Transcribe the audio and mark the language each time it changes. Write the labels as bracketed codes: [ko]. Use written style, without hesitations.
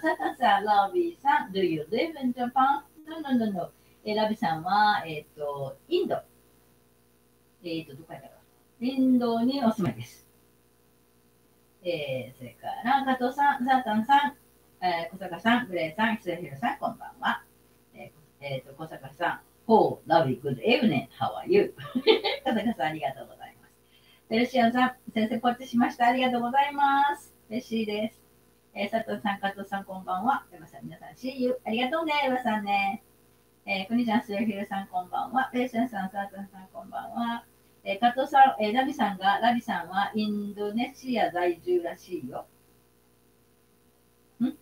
[en] サタさん、ラビーさん、Do you live in Japan? No. [ja] ラビーさんは、インド。どこやったか。インドにお住まいです。それから、加藤さん、サタンさん、小坂さん、グレイさん、スレキラさん、こんばんは。 [en] 小坂さん、Oh, lovely, good evening, how are you? [ja] カサカさん、ありがとうございます。ペルシアンさん、先生ポッチしました。ありがとうございます。嬉しいです。佐藤さん、加藤さん、こんばんは。エヴァさん、皆さん、 [en] See you. [ja] ありがとうね、エヴァさんね。クニちゃん、スレヒルさん、こんばんは。ペルシアンさん、佐藤さん、こんばんは。加藤さん、ラビさんが、ラビさんはインドネシア在住らしいよ。ん？